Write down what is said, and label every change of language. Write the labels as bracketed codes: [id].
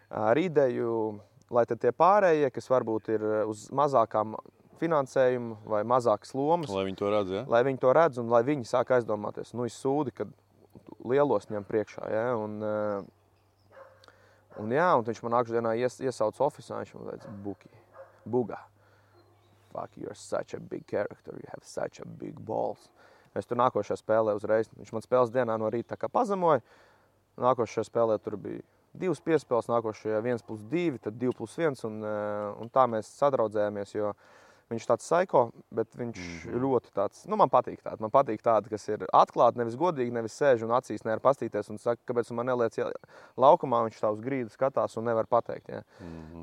[lv] Ar ideju, lai tad tie pārējie, kas varbūt ir uz mazākām finansējumu vai mazākas lomas, lai viņi to redz, ja? Lai viņi to redz un lai viņi sāk aizdomāties, nu, es sūdi, kad lielos ņem priekšā, ja? Un jā, un viņš man nākšu dienā iesauca ofisā, viņš man teica, Buki, Buga. [en] Fuck, you're such a big character, you have such a big balls. [lv] Es tur nākošajā spēlē uzreiz, viņš man spēles dienā no rīta tā kā pazemoja. Nākošajā spēlē tur bija divas piespēles, nākošajā 1+2, tad 2+1, un tā mēs sadraudzējāmies, jo viņš tāds saiko, bet viņš ļoti tāds, nu man patīk tāds, kas ir atklāti, nevis godīgi, nevis sēž un acīs nevar pastīties un saka, kāpēc man neliec laukumā, viņš tā uz grīdu skatās un nevar pateikt, ja. Mm-hmm.